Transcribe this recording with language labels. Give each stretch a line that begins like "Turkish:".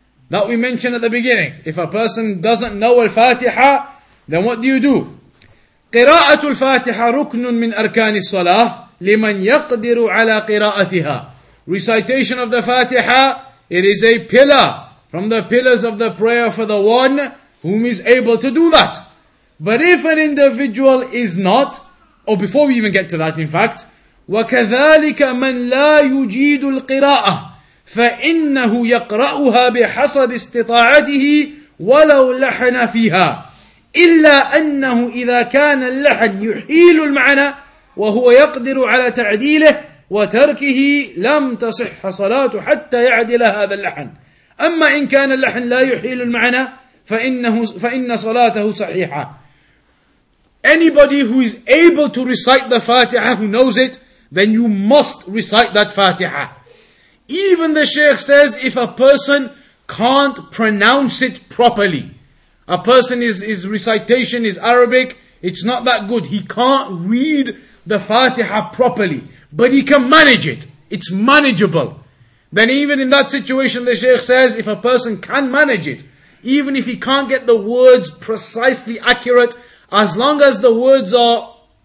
English: That we mentioned at the beginning. If a person doesn't know Al-Fatiha, then what do you do?
Arabic: قِرَاءَةُ الْفَاتِحَ رُكْنٌ مِّنْ أَرْكَانِ الصَّلَاةِ لِمَنْ يَقْدِرُ عَلَىٰ قِرَاءَتِهَا.
English: Recitation of the Fatiha, it is a pillar from the pillars of the prayer for the one whom is able to do that. But if an individual is not, or before we even get to that, in fact, وَكَذَلِكَ مَنْ لَا يُجِيدُ الْقِرَاءَةَ فَإِنَّهُ يَقْرَأُهَا بِحَسَبِ اسْتِطَاعَتِهِ وَلَوْ لَحَنَ فِيهَا
Arabic: إِلَّا أَنَّهُ إِذَا كَانَ اللَّحَنُ يُحِيلُ الْمَعْنَى وَهُوَ يَقْدِرُ عَلَى تَعْدِيلِهِ وَتَرْكِهِ لَمْ تَصِحَّ صَلَاتُ حَتَّى يَعْدِلَ هَذَا اللَّحَنُ أَمَّا إِنْ كَانَ اللَّحَنُ لَا يُحِيلُ الْمَعْنَى فَإِنَّ صَلَاتَهُ صَحِيحَةٌ.
English: Anybody who is able to recite the Fatiha, who knows it, then you must recite that Fatiha. Even the Shaykh says, if a person can't pronounce it properly, a person is, his recitation is Arabic, it's not that good, he can't read the Fatiha properly, but he can manage it, it's manageable, then even in that situation, the Shaykh says, if a person can manage it, even if he can't get the words precisely accurate, as long as the words are